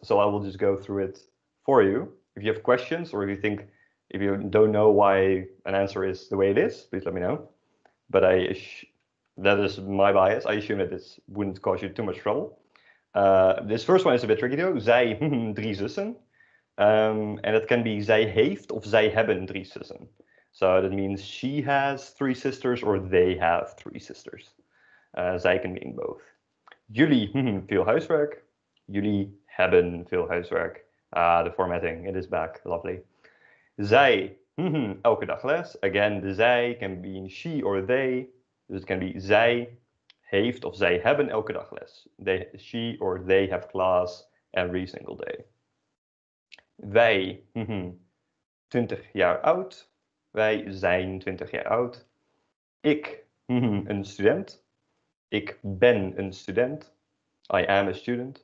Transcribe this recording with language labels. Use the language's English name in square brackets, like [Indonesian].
[English] So I will just go through it for you. If you have questions or if you think, if you don't know why an answer is the way it is, please let me know. But I that is my bias. I assume that this wouldn't cause you too much trouble. This first one is a bit tricky though. [Dutch] Zij drie zussen. [English] And it can be [Dutch] zij heeft of zij hebben drie zussen. [English] So that means she has three sisters or they have three sisters. Zij can mean both. [Dutch] Jullie veel huiswerk. Jullie hebben veel huiswerk. [English] The formatting, it is back. Lovely. [Dutch] Zij elke dag les. [English] Again, the zij can mean she or they. So it can be [Dutch] zij heeft of zij hebben elke dag les. [English] They, she or they have class every single day. [Dutch] Wij 20 jaar oud. Wij zijn 20 jaar oud. Ik een student. Ik ben een student. [English] I am a student.